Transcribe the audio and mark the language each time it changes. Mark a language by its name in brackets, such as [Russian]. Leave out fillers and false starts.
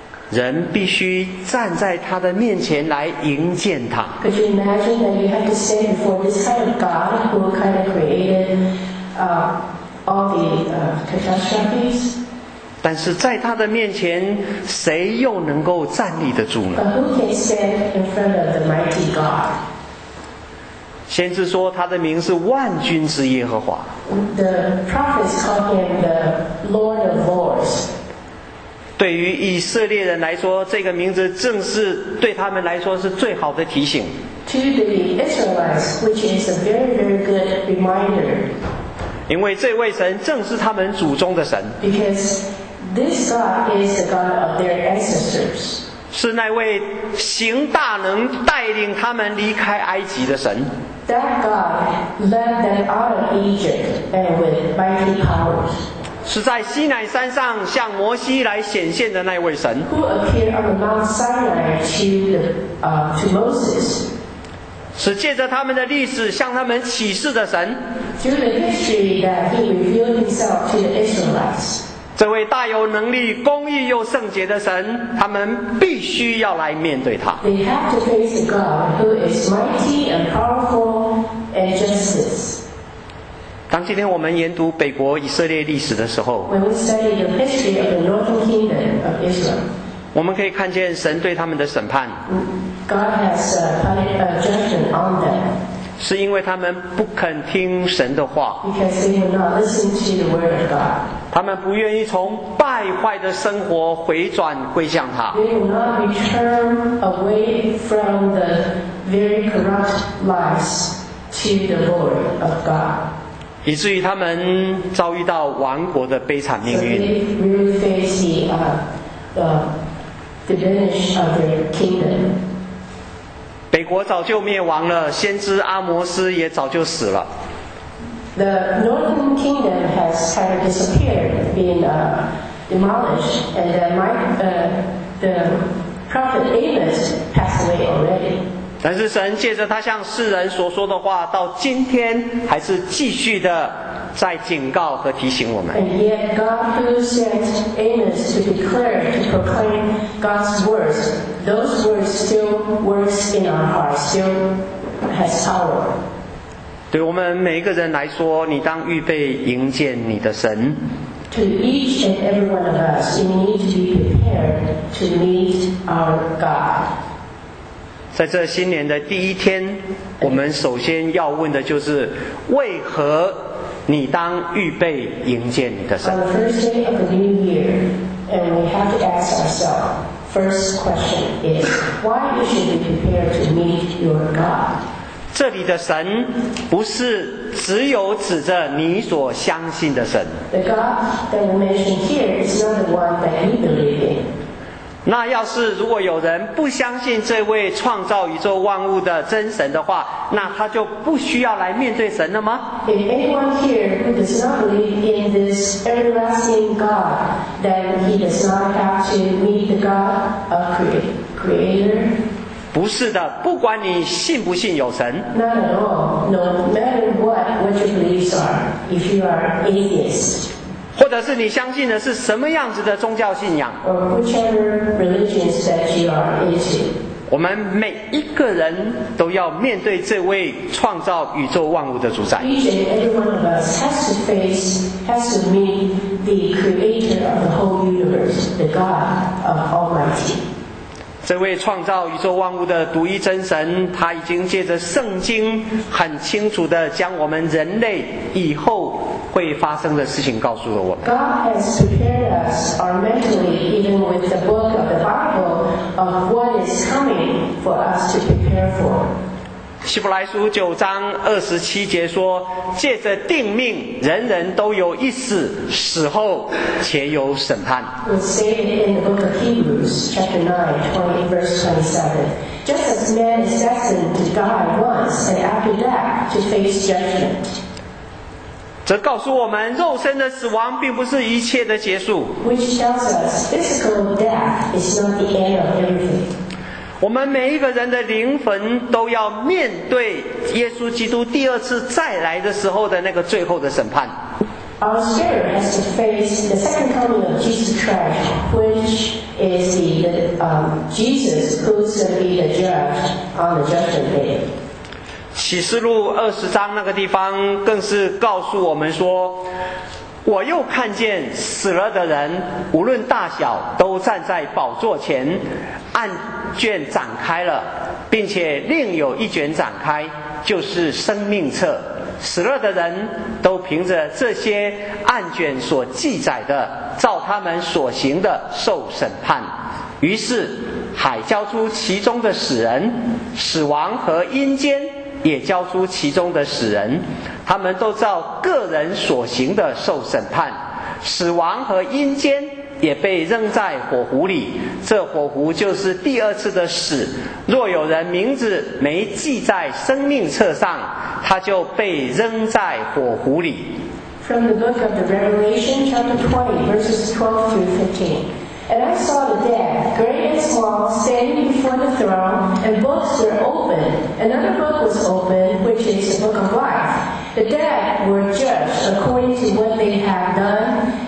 [Chinese] 人必须站在他的面前来迎见他。 [English] Could you imagine that you have to stand before this kind of God who kind of created all the catastrophes? [Chinese] 但是在他的面前，谁又能够站立得住呢？ [English] But who can stand in front of the mighty God? [Chinese] 先知说他的名是万军之耶和华。 [English] The prophets call him the Lord of Lords. [Chinese] 对于以色列人来说，这个名字正是对他们来说是最好的提醒。 [English] To the Israelites, which is a very, very good reminder. [Chinese] 因为这位神正是他们祖宗的神。 [English] Because this God is the God of their ancestors. [Chinese] 是那位行大能带领他们离开埃及的神。 [English] That God led them out of Egypt and with mighty powers. [Chinese] 是在西乃山上向摩西来显现的那位神。 [English] Who appeared on Mount Sinai to Moses. [Chinese] 是借着他们的历史向他们启示的神。 [English] Through the history that he revealed himself to the Israelites. [Chinese] 这位大有能力、公义又圣洁的神，他们必须要来面对他。 [English] They have to face God who is mighty and powerful and justice. [Chinese] 当今天我们研读北国以色列历史的时候 [English] ，When we study the history of the Northern Kingdom of Israel. [Chinese] 我们可以看见神对他们的审判 [English] God has put a judgment on them [Chinese] 是因为他们不肯听神的话 [English] Because they will not listen to the word of God [Chinese] 他们不愿意从败坏的生活回转归向他 [English] They will not return away from the very corrupt lives to the Lord of God [Chinese] 以至于他们遭遇到亡国的悲惨命运 [English] So they really face the diminish of their kingdom. [Chinese] 北国早就灭亡了，先知阿摩斯也早就死了。 [English] The northern kingdom has kind of disappeared, been demolished, and the prophet Amos passed away already. [Chinese] 但是神借着他向世人所说的话，到今天还是继续的在警告和提醒我们。 [English] And yet God who sent Amos to declare, to proclaim God's words, those words still works in our hearts, still has power. [Chinese] 对我们每一个人来说，你当预备迎接你的神。 [English] To each and every one of us, we need to be prepared to meet our God. [Chinese] 在这新年的第一天，我们首先要问的就是：为何你当预备迎接你的神 [English] ？On the first day of the new year, and we have to ask ourselves: first question is, why you should be prepared to meet your God? [Chinese] 这里的神不是只有指着你所相信的神。 [English] The God that we mention here is not the one that you believe in. [Chinese] 那要是如果有人不相信这位创造宇宙万物的真神的话，那他就不需要来面对神了吗 [English] ？If anyone here who does not believe in this everlasting God, then he does not have to meet the God of Creator. [Chinese] 不是的，不管你信不信有神。 [English] Not at all. No matter what your beliefs are, if you are atheist. [Chinese] 或者是你相信的是什么样子的宗教信仰 [English] or whichever religion that you are into. [Chinese] 我们每一个人都要面对这位创造宇宙万物的主宰 [English] Each and every one of us has to meet the creator of the whole universe, the God of Almighty. [Chinese] 这位创造宇宙万物的独一真神他已经借着圣经很清楚地将我们人类以后会发生的事情告诉了我们 [English] God has prepared us our mentally even with the book of the Bible of what is coming for us to prepare for [Chinese] 希伯来书九章二十七节说借着定命人人都有一死死后且有审判 [English] We'll say it in the book of Hebrews chapter 9 20, verse 27 Just as man is destined to die once and after that to face judgment [Chinese] 则告诉我们肉身的死亡并不是一切的结束 [English] Which tells us physical death is not the end of everything [Chinese] 我们每一个人的灵魂都要面对耶稣基督第二次再来的时候的那个最后的审判。 [English] Our spirit has to face the second coming of Jesus Christ, which is Jesus who's going to be the judge on the judgment day. [Chinese] 启示录二十章那个地方更是告诉我们说。我又看见死了的人无论大小都站在宝座前案卷展开了并且另有一卷展开就是生命册死了的人都凭着这些案卷所记载的照他们所行的受审判于是海交出其中的死人死亡和阴间也交出其中的死人他们都照个人所行的受审判死亡和阴间也被扔在火湖里这火湖就是第二次的死若有人名字没记在生命册上他就被扔在火湖里 [English] From the book of the Revelation chapter 20 verses 12 through 15And I saw the dead, great and small, standing before the throne, and books were opened. Another book was opened, which is the book of life. The dead were judged according to what they had done,